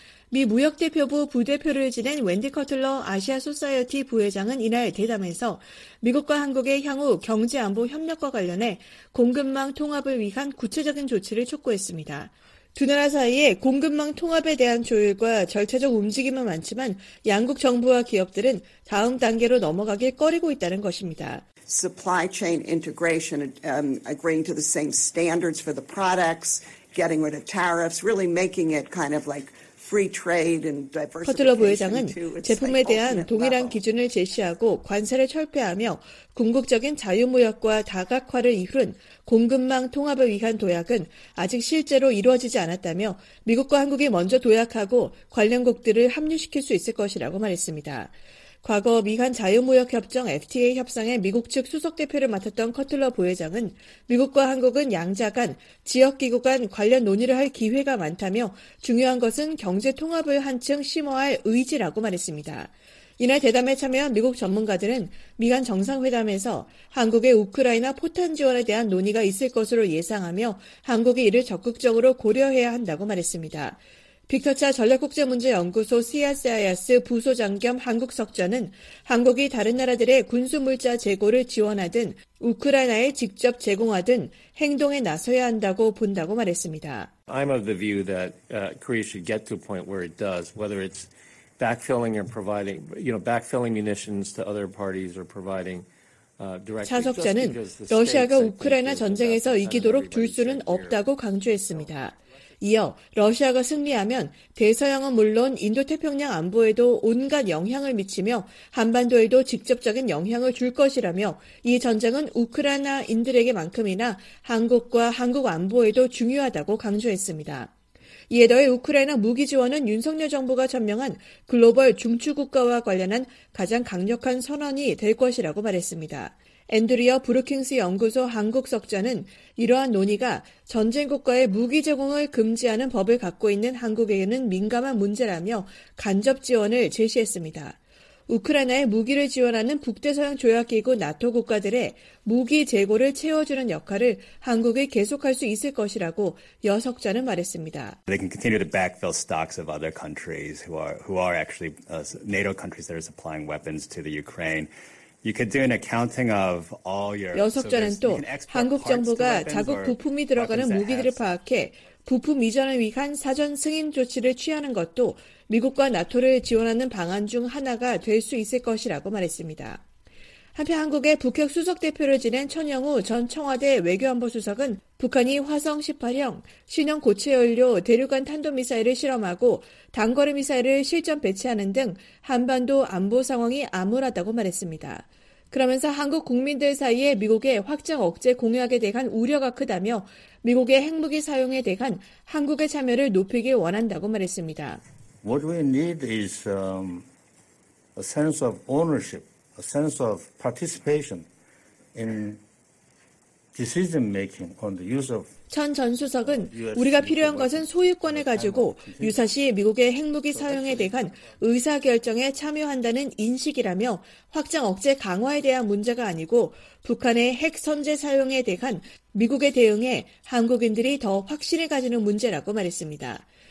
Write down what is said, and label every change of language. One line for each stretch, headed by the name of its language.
Korean: 미 무역대표부 부대표를 지낸 웬디 커틀러 아시아 소사이어티 부회장은 이날 대담에서 미국과 한국의 향후 경제안보 협력과 관련해 공급망 통합을 위한 구체적인 조치를 촉구했습니다. 두 나라 사이에 공급망 통합에 대한 조율과 절차적 움직임은 많지만 양국 정부와 기업들은 다음 단계로 넘어가길 꺼리고 있다는 것입니다.
English: Supply chain integration, agreeing to the same standards for the products, getting rid of tariffs, really making it kind of like
Korean: 커틀러 부회장은 제품에 대한 동일한 기준을 제시하고 관세를 철폐하며 궁극적인 자유무역과 다각화를 이룬 공급망 통합을 위한 도약은 아직 실제로 이루어지지 않았다며 미국과 한국이 먼저 도약하고 관련국들을 합류시킬 수 있을 것이라고 말했습니다. 과거 미한 자유무역협정 FTA 협상에 미국 측 수석대표를 맡았던 커틀러 부회장은 미국과 한국은 양자 간, 지역기구 간 관련 논의를 할 기회가 많다며 중요한 것은 경제통합을 한층 심화할 의지라고 말했습니다. 이날 대담에 참여한 미국 전문가들은 미간 정상회담에서 한국의 우크라이나 포탄 지원에 대한 논의가 있을 것으로 예상하며 한국이 이를 적극적으로 고려해야 한다고 말했습니다. 빅터 차 전략국제문제연구소 CSIS 부소장 겸 한국석좌는 한국이 다른 나라들의 군수물자 재고를 지원하든 우크라이나에 직접 제공하든 행동에 나서야 한다고 본다고 말했습니다.
English: I'm of the view that Korea should get to a point where it does, whether it's backfilling or providing, you know, backfilling munitions to other parties or providing.
Korean: 차석자는 러시아가 우크라이나 전쟁에서 이기도록 둘 수는 없다고 강조했습니다. 이어 러시아가 승리하면 대서양은 물론 인도태평양 안보에도 온갖 영향을 미치며 한반도에도 직접적인 영향을 줄 것이라며 이 전쟁은 우크라이나인들에게만큼이나 한국과 한국 안보에도 중요하다고 강조했습니다. 이에 더해 우크라이나 무기 지원은 윤석열 정부가 천명한 글로벌 중추국가와 관련한 가장 강력한 선언이 될 것이라고 말했습니다. 앤드리어 브루킹스 연구소 한국 석좌는 이러한 논의가 전쟁 국가의 무기 제공을 금지하는 법을 갖고 있는 한국에게는 민감한 문제라며 간접 지원을 제시했습니다. 우크라이나에 무기를 지원하는 북대서양 조약기구 나토 국가들의 무기 재고를 채워주는 역할을 한국이 계속할 수 있을 것이라고 여석자는 말했습니다.
English: They can continue to backfill stocks of other countries who are actually NATO countries that are supplying weapons to the Ukraine. You could do an accounting of all your.
Korean: 여석자는 또 한국 정부가 자국 부품이 들어가는 무기들을 파악해 부품 이전을 위한 사전 승인 조치를 취하는 것도 미국과 나토를 지원하는 방안 중 하나가 될 수 있을 것이라고 말했습니다. 한편 한국의 북핵 수석 대표를 지낸 천영우 전 청와대 외교안보수석은 북한이 화성 18형 신형 고체연료 대륙간 탄도미사일을 실험하고 단거리 미사일을 실전 배치하는 등 한반도 안보 상황이 암울하다고 말했습니다. 그러면서 한국 국민들 사이에 미국의 확장 억제 공약에 대한 우려가 크다며 미국의 핵무기 사용에 대한 한국의 참여를 높이길 원한다고 말했습니다.
English: What we need is a sense of ownership, a sense of participation in decision making on the use of
Korean: 천 전 수석은 우리가 필요한 것은 소유권을 가지고 유사시 미국의 핵무기 사용에 대한 의사결정에 참여한다는 인식이라며 확장 억제 강화에 대한 문제가 아니고 북한의 핵 선제 사용에 대한 미국의 대응에 한국인들이 더 확신을 가지는 문제라고 말했습니다.